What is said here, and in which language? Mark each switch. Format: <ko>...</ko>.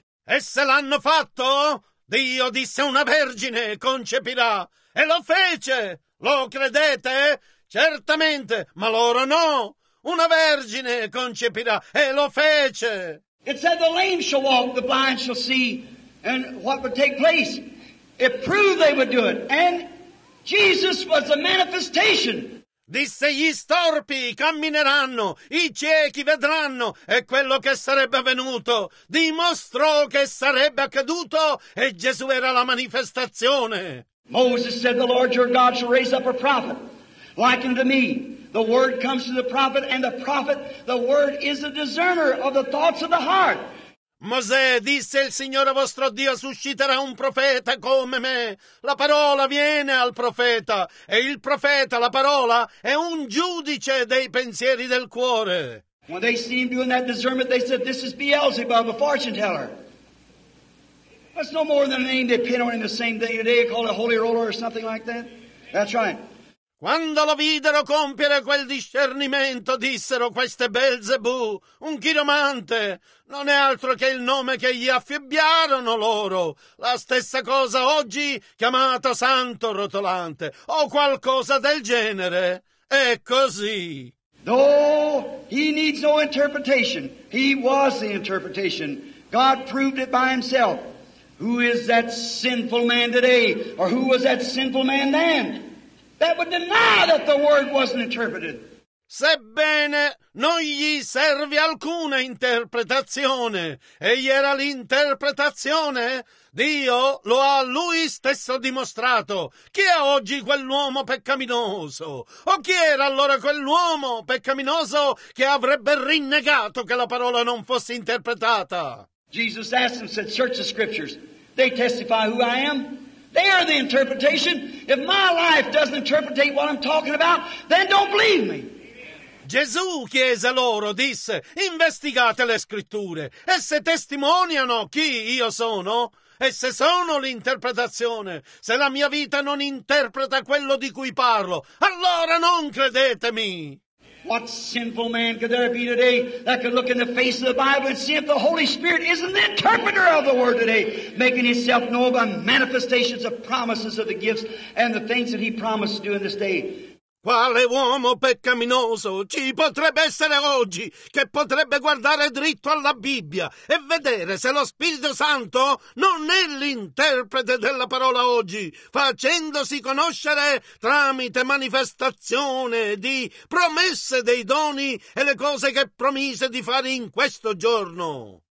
<it>Esse l'hanno fatto? Dio disse una vergine concepirà. E lo fece. Lo credete? Certamente, ma loro no. Una vergine concepirà. E lo fece.</it> <en>It said the lame shall walk, the blind shall see, and what would take place. It proved they would do it. And Jesus was a manifestation.</en> <it>Disse, gli storpi cammineranno, i ciechi vedranno, e quello che sarebbe avvenuto dimostrò che sarebbe accaduto, e Gesù era la manifestazione.</it> <en>Moses said, the Lord your God shall raise up a prophet like unto me. The word comes to the prophet, and the prophet, the word is a discerner of the thoughts of the heart.</en> <it>Mosè disse, il Signore vostro Dio susciterà un profeta come me. La parola viene al profeta, e il profeta, la parola, è un giudice dei pensieri del cuore.</it> <en>When they see him doing that discernment, they said, this is Beelzebub, a fortune teller. That's no more than a name they pin on him the same day today, called a holy roller or something like that. That's right.</en> <it>Quando lo videro compiere quel discernimento, dissero, questo è Belzebù, un chiromante. Non è altro che il nome che gli affibbiarono loro. La stessa cosa oggi chiamata santo rotolante, o qualcosa del genere. È così.</it> <en>No, he needs no interpretation. He was the interpretation. God proved it by himself. Who is that sinful man today? Or who was that sinful man then? That would deny that the word wasn't interpreted.</en> <it>Sebbene non gli servi alcuna interpretazione, egli era l'interpretazione, Dio lo ha lui stesso dimostrato. Chi è oggi quell'uomo peccaminoso? O chi era allora quell'uomo peccaminoso che avrebbe rinnegato che la parola non fosse interpretata?</it> <en>Jesus asked and said, search the scriptures. They testify who I am. They are the interpretation. If my life doesn't interpretate what I'm talking about, then don't believe me.</en> <it>Gesù chiese loro, disse, investigate le scritture. Esse testimoniano chi io sono? Esse sono l'interpretazione. Se la mia vita non interpreta quello di cui parlo, allora non credetemi.</it> <en>What sinful man could there be today that could look in the face of the Bible and see if the Holy Spirit isn't the interpreter of the Word today, making himself known by manifestations of promises of the gifts and the things that he promised to do in this day?</en> <it>Quale uomo peccaminoso ci potrebbe essere oggi che potrebbe guardare dritto alla Bibbia e vedere se lo Spirito Santo non è l'interprete della parola oggi, facendosi conoscere tramite manifestazione di promesse dei doni e le cose che promise di fare in questo giorno?</it>